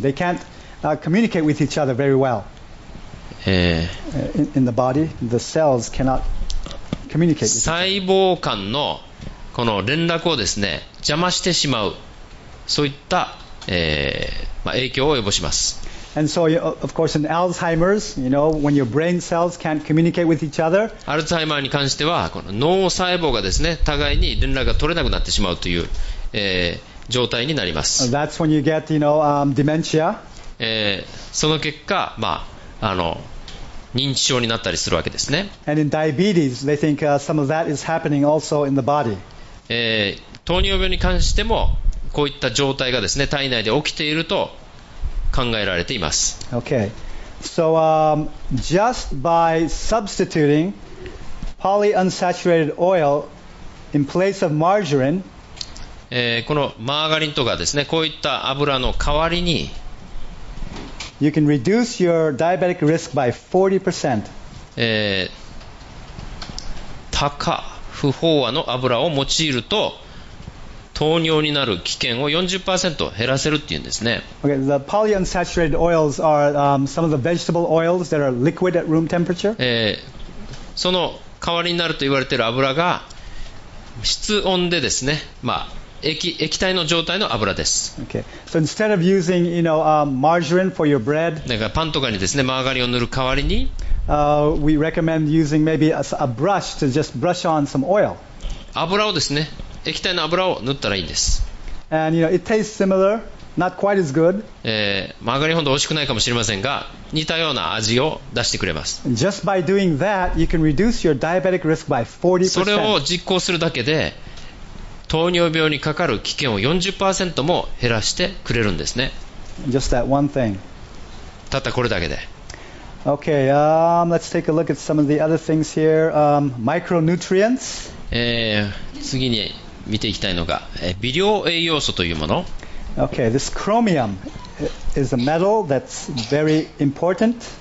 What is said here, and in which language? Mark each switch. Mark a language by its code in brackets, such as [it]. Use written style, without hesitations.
[en] They can't, communicate with each other very well. In the body, the cells cannot communicate with each other. [ja] 細胞間のこの連絡をですね、邪魔してしまう、そういった、影響を及ぼします。 [en] And so, of course, in Alzheimer's, you know, when your brain cells can't communicate with each other. [ja] アルツハイマーに関しては、この脳細胞がですね、互いに連絡が取れなくなってしまうという、状態になります。 [en] That's when you get, you know, dementia. [ja] その結果、認知症になったりするわけですね。 [en] And in diabetes, they think, some of that is happening also in the body. [ja] 糖尿病に関しても、こういった状態がですね、体内で起きていると、考えられています。 [en] Okay. So, just by substituting polyunsaturated oil in place of margarine, [ja] このマーガリンとかですね、こういった油の代わりに、 [en] you can reduce your diabetic risk by 40%、 [ja] 鷹、不飽和の油を用いると糖尿になる危険を 40% 減らせるっていうんですね。 [en] Okay, the polyunsaturated oils are some of the vegetable oils that are liquid at room temperature. [ja] その代わりになると言われている油が室温でですね、まあ、液体の状態の油です。 [en] Okay. So instead of using, you know, margarine for your bread, [ja] だからパンとかにですね、マーガリンを塗る代わりに、 [en] We recommend using maybe a brush to just brush on some oil. [ja] 油をですね、液体の油を塗ったらいいんです。 [en] And you know, it tastes similar, not quite as good. [ja] マーガリンほど美味しくないかもしれませんが、似たような味を出してくれます。 [en] Just by doing that, you can reduce your diabetic risk by 40%. [ja] それを実行するだけで、糖尿病にかかる危険を 40% も減らしてくれるんですね。 [en] Just that one thing. [ja] たったこれだけで。 [en] Okay, let's take a look at some of the other things here. Micronutrients. [ja] 次に見ていきたいのが、微量栄養素というもの。 [en] Okay, this chromium is a metal that's very important.